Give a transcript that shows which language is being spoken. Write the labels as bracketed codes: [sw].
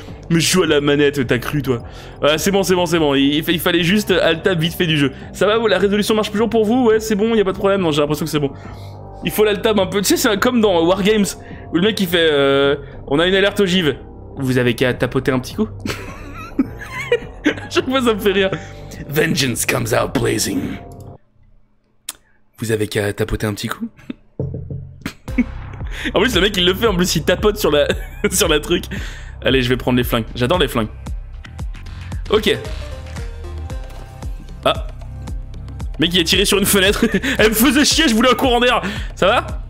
[fr] Mais je joue à la manette, t'as cru, toi. Ouais, c'est bon, il fallait juste alt-tab vite fait du jeu. Ça va, la résolution marche toujours pour vous? Ouais, c'est bon, y a pas de problème. Non, j'ai l'impression que c'est bon. Il faut l'alt-tab un peu. Tu sais, c'est comme dans Wargames, où le mec, il fait... on a une alerte ogive. Vous avez qu'à tapoter un petit coup? À chaque fois, ça me fait rire. [en] Vengeance comes out blazing. [fr] Vous avez qu'à tapoter un petit coup? En plus, le mec, il le fait. En plus, il tapote sur la... sur la truc. Allez, je vais prendre les flingues. J'adore les flingues. Ok. Ah. Mec, il a tiré sur une fenêtre. Elle me faisait chier, je voulais un courant d'air. Ça va?